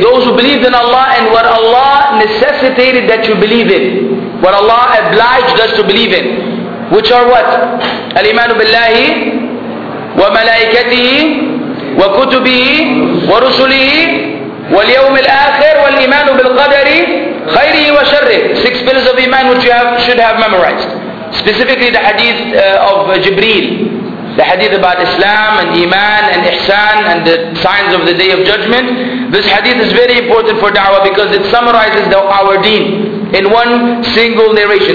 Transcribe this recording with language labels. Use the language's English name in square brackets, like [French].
[English] Those who believed in Allah and what Allah necessitated that you believe in, what Allah obliged us to believe in, which are what? [Arabic] الْإِيمَانُ بِاللَّهِ وَمَلَائِكَتِهِ وَكُتُبِهِ وَرُسُلِهِ واليوم الآخر والإيمان بالقدر خيره وشره. [English] Six pillars of Iman which you have, should have memorized. Specifically the hadith of Jibreel. The hadith about Islam and Iman and Ihsan and the signs of the Day of Judgment. This hadith is very important for da'wah because it summarizes our deen in one single narration.